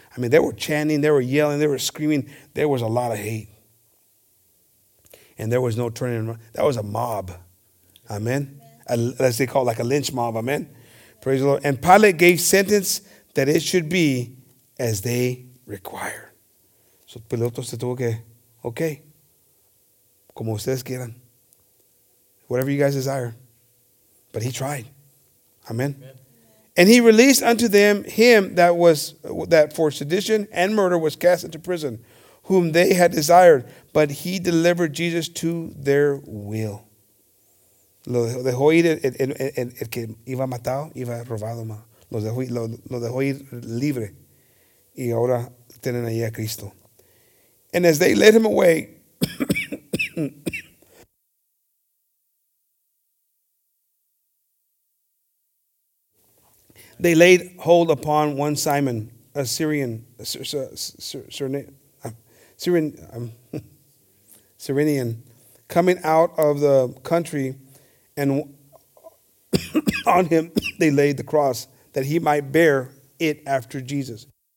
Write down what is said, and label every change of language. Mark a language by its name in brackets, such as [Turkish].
[English] I mean, they were chanting, they were yelling, they were screaming. There was a lot of hate. And there was no turning around. That was a mob. Amen. Yeah. As they call it, like a lynch mob. Amen. Praise the Lord. And Pilate gave sentence that it should be as they require. [Spanish] So Piloto se tuvo que, okay, como ustedes quieran. [English] Whatever you guys desire. But he tried. Amen. And he released unto them him that for sedition and murder was cast into prison, whom they had desired, but he delivered Jesus to their will. [Spanish] Lo dejó ir el que iba matado, iba robado. Lo dejó ir libre. Y ahora tienen ahí a Cristo. [English] And as they led him away, they laid hold upon one Simon, a Syrian, Cyrenian, coming out of the country, and on him they laid the cross, that he might bear it after Jesus.